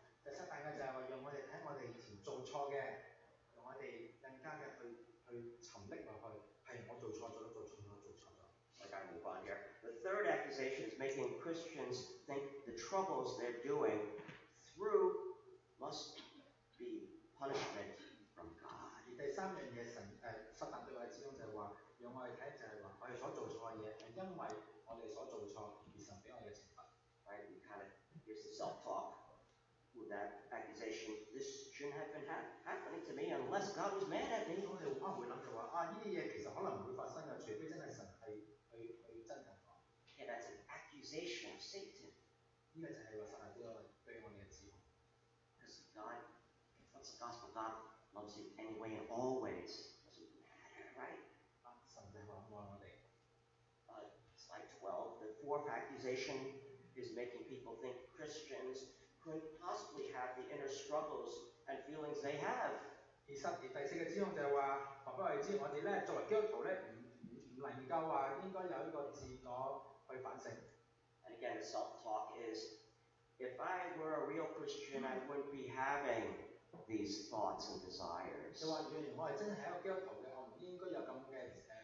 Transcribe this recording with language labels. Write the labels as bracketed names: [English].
[Cantonese] 第三大嘅就係話讓我哋睇我哋以前做錯嘅，讓我哋更加嘅去沉溺落去，係我做錯咗，做錯咗，做錯咗。大家唔關嘅。 [English] The third accusation is making Christians think the troubles they're doing through must be punishment from God. [Cantonese] 第三樣嘢撒旦對我哋始終就係話。讓我哋睇就係話，我哋所做錯嘅嘢係因為我哋所做錯而神俾我哋嘅懲罰。 [English] Right, we kind of use self-talk with that accusation. This shouldn't have been happening to me unless God was mad at me. [Cantonese] 我哋可能會諗就話啊，呢啲嘢其實可能唔會發生嘅，除非真係神係去憎恨我。 [English] Yeah, that's an accusation of Satan. [Cantonese] 呢個就係話撒旦對我哋嘅指控。 [English] Because God, what's the gospel? God loves you anyway and always. Doesn't matter, right? Slide 12. The fourth accusation is making people think Christians couldn't possibly have the inner struggles and feelings they have. [Cantonese] 第四嘅指控就係話，話俾我哋知，我哋咧作為基督徒咧，唔能夠話應該有一個自我去反省。 [English] And again, self-talk is, if I were a real Christian, I wouldn't be having these thoughts and desires. [Cantonese] 就話如果我係真係一個基督徒嘅，我唔應該有咁嘅。